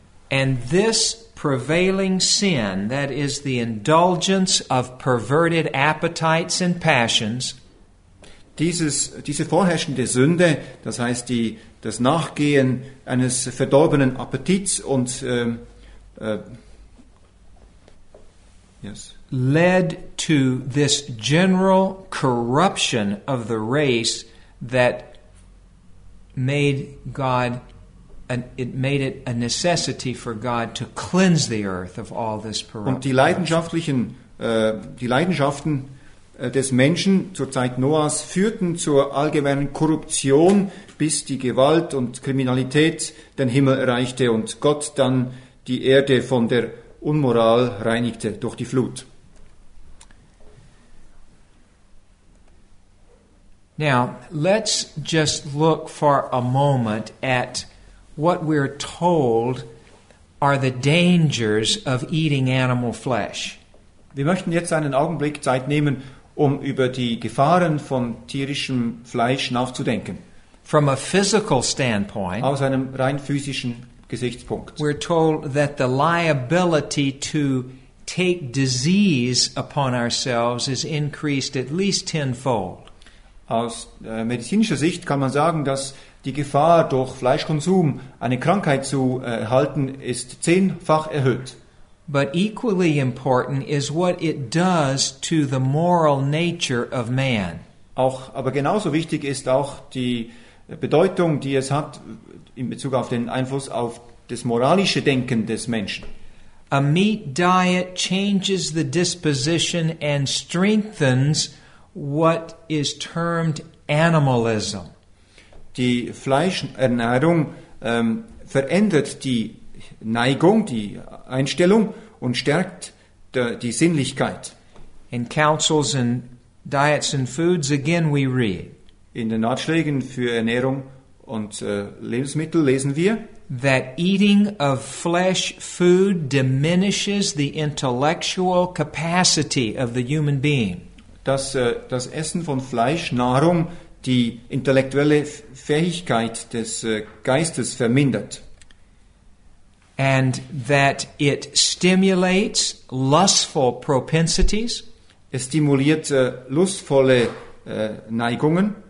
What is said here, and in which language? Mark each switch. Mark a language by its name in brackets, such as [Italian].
[English] And this prevailing sin, that is the indulgence of perverted appetites and passions. [German] Diese vorherrschende Sünde, das heißt das Nachgehen eines verdorbenen Appetits und [English] led to this general corruption of the race that made God it made it a necessity for God to cleanse the earth of all this corruption. [German] Und die Leidenschaften des Menschen zur Zeit Noahs führten zur allgemeinen Korruption, bis die Gewalt und Kriminalität den Himmel erreichte und Gott dann die Erde von der Unmoral reinigte durch die Flut. [English] Now, let's just look for a moment at what we're told are the dangers of eating animal flesh. [German] Wir möchten jetzt einen Augenblick Zeit nehmen, um über die Gefahren von tierischem Fleisch nachzudenken. [English] From a physical standpoint, [German] aus einem rein physischen Gesichtspunkt. [English] We're told that the liability to take disease upon ourselves is increased at least tenfold. [German] Aus medizinischer Sicht kann man sagen, dass die Gefahr durch Fleischkonsum eine Krankheit zu erhalten ist zehnfach erhöht. [English] But equally important is what it does to the moral nature of man. [German] Auch, aber genauso wichtig ist auch die Bedeutung, die es hat in Bezug auf den Einfluss auf das moralische Denken des Menschen. [English] A meat diet changes the disposition and strengthens what is termed animalism. [German] Die Fleischernährung verändert die Neigung, die Einstellung und stärkt die Sinnlichkeit. [English] In Councils and Diets and Foods again we read. [German] In den Ratschlägen für Ernährung und Lebensmittel lesen wir, [English] that eating of flesh food diminishes the intellectual capacity of the human being. [German] Dass das Essen von Fleisch, Nahrung, die intellektuelle Fähigkeit des Geistes vermindert. [English] And that it stimulates lustful propensities. [German] Es stimuliert lustvolle Neigungen.